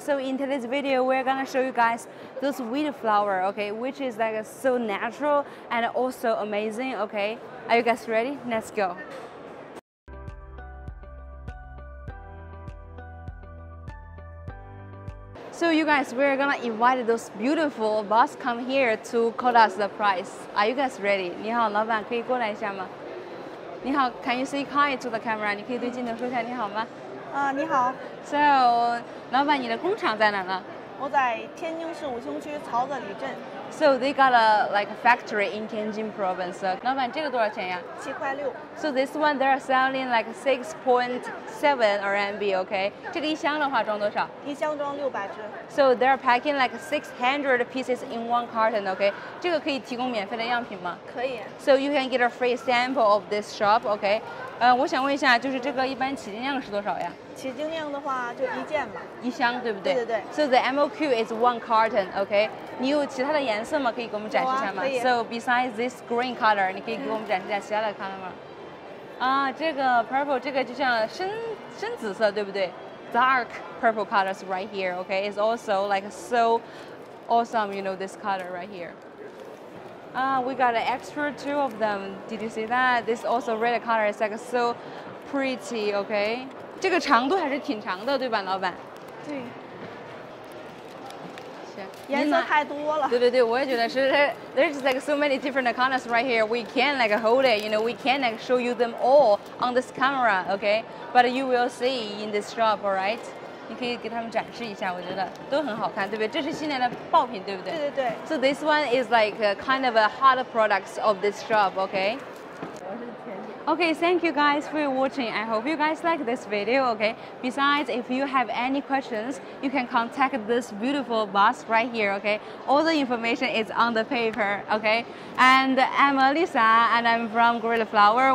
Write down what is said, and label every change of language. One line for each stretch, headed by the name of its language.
English: So in today's video, we're gonna show you guys this wheat flower, okay, which is like so natural and also amazing, okay? Are you guys ready? Let's go. So you guys, we're gonna invite those beautiful boss come here to quote us the price. Are you guys ready?
Chinese: 你好，老板可以过来一下吗？你好
English: ，Can you say hi to the camera？
Chinese: 你可以对镜头说一下你好吗？你好。 So， 老板，你的工厂在哪呢？我在天津市武雄区曹子里镇。
English: So they got a factory in Tianjin province.
Chinese: 老板，这个多少钱呀？七块六。
English: So this one they are selling ₩6.7, okay?
Chinese: 这个一箱的话装多少？一箱装600只。
English: So they are packing like 600 pieces in one carton, okay?
Chinese: 这个可以提供免费的样品吗？可以。
English: So you can get a free sample of this shop, okay?
Chinese: 我想问一下，就是这个一般起斤量是多少呀？起斤量的话就一件吧。一箱对不对？对对对。
English: So the MOQ is one carton, okay?
Chinese: 你有其他的颜色吗？可以给我们展示一下吗？可以。
English: So besides this green color,
Chinese: 你可以给我们展示一下其他的 color 吗？这个 purple 这个就像深紫色对不对？
English: Dark purple colors right here, okay? It's also like so awesome, you know, this color right here. We got an extra two of them. Did you see that? This also red color is like so pretty, okay?
Chinese: 这个长度还是挺长的，对吧，老板？对。颜色太多了。对对对，我也觉得是。
English: There's like so many different colors right here. We can like hold it, you know. We can like show you them all on this camera, okay? But you will see in this shop, all right?
Chinese: 你可以给他们展示一下，我觉得都很好看，对不对？这是新年的爆品，对不对？对对对。
English: So this one is like a kind of a hot products of this shop, okay? Okay, thank you guys for watching. I hope you guys like this video, okay? Besides, if you have any questions, you can contact this beautiful boss right here, okay? All the information is on the paper, okay? And I'm Alisa, and I'm from Gorilla Flower.